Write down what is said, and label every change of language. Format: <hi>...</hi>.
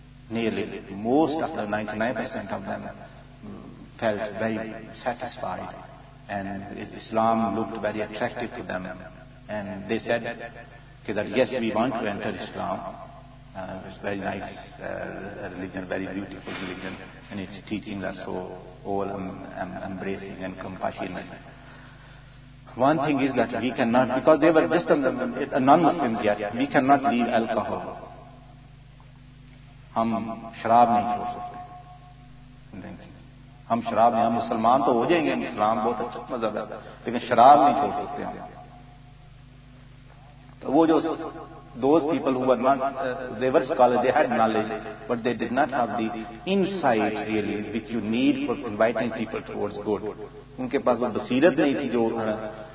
<en>nearly, most of the 99% of them felt very satisfied, and Islam looked very attractive to them, and they said that yes, we want to enter Islam, it's very nice religion, very beautiful religion, and its teachings are so all embracing and compassionate. One thing is that we cannot, because they were just non-Muslims yet, we cannot leave alcohol.</en> <ur>ہم شراب نہیں چھوڑ سکتے, ہم شراب نہیں, ہم مسلمان تو ہو جائیں گے, اسلام بہت اچھا مذہب ہے, لیکن شراب نہیں چھوڑ سکتے ہم. تو وہ جو</ur> <en>those people who were not, they were scholars, they had knowledge, but they did not have the insight really which you need for inviting people towards good.</en> <ur>ان کے پاس وہ بصیرت نہیں تھی جو اٹھا.</ur>